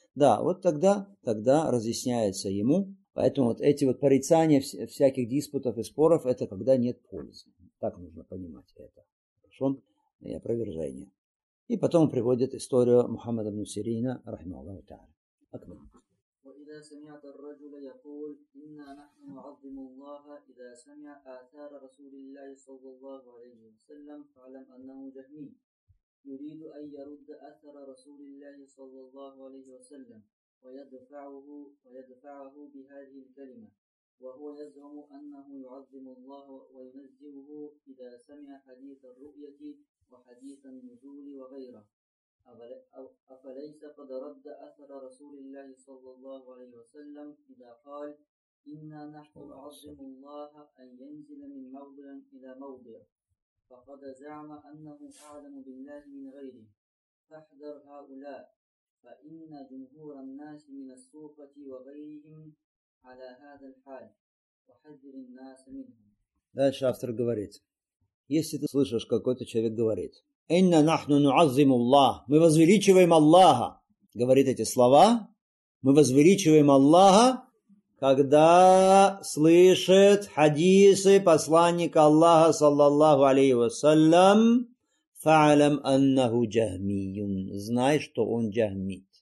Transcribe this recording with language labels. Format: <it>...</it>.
<ru>Да, вот тогда разъясняется ему. Поэтому вот эти вот порицания всяких диспутов и споров, это когда нет пользы. Так нужно понимать это. Хорошо? И опровержение. И потом приводит историю Мухаммада ибн Сирина, рахима Аллаху Тааля. Акбар.</ru> <ar>وإذا سمعت الرجل يقول إنا نحن نعظم الله إذا سمع آثار رسول الله صلى الله عليه وسلم فعلم أنه جهمي يريد أن يرد أثر رسول الله صلى الله عليه وسلم ويدفعه بهذه الكلمة وهو يزعم أنه يعظم الله وينزهه إذا سمع حديث الرؤية وحديث النزول وغيره أفليس قد رد أثر رسول الله صلى الله عليه وسلم إذا قال إنا نحن نعظم الله أن ينزل من موضع إلى موضع، فقد زعم أنه أعلم بالله من غيره، فاحذر هؤلاء، فإن جمهور الناس من الصوفة وغيرهم على هذا الحال، وحذر الناس منهم.</ar> <ru>Дальше автор говорит, если ты слышишь, какой-то человек говорит,</ru> <ar>«Инна нахну нуаззиму Аллах»,</ar> <ru>«Мы возвеличиваем Аллаха», говорит эти слова, «Мы возвеличиваем Аллаха», когда слышит хадисы посланника Аллаха, саллаллаху алейхи вассалям,</ru> <ar>«Фа'алам аннаху джахмиюн»,</ar> <ru>«Знай, что он джахмит».</ru>